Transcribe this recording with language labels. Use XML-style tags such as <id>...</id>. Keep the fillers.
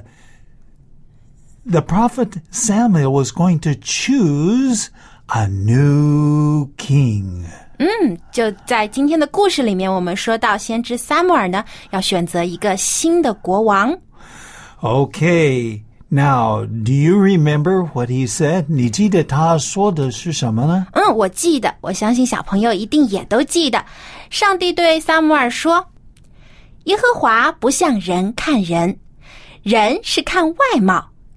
<en>the prophet Samuel was going to choose a new king.</en> <zh>嗯，就在今天的故事里面，我们说到先知撒母耳呢，要选择一个新的国王。</zh> <en>Okay, now do you remember what he said?</en> <zh>你记得他说的是什么呢？嗯，我记得，我相信小朋友一定也都记得。上帝对撒母耳说：“耶和华不像人看人，人是看外貌，</zh>